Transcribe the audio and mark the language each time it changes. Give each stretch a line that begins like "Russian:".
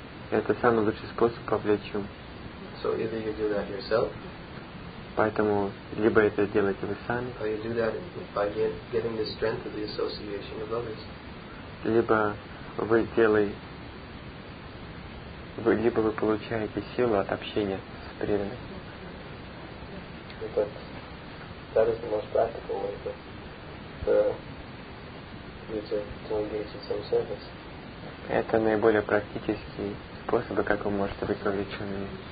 Russian: Это самый лучший способ вовлечь ум.
English: So either you do that yourself.
Russian: Поэтому либо это делаете вы сами.
English: Or you do that by getting the strength of the association of others.
Russian: Либо вы делаете, либо вы получаете силу от общения с преданными.
English: But that is the most practical way for you to engage in some service.
Russian: Это наиболее практический способ, как вы можете быть вовлеченными.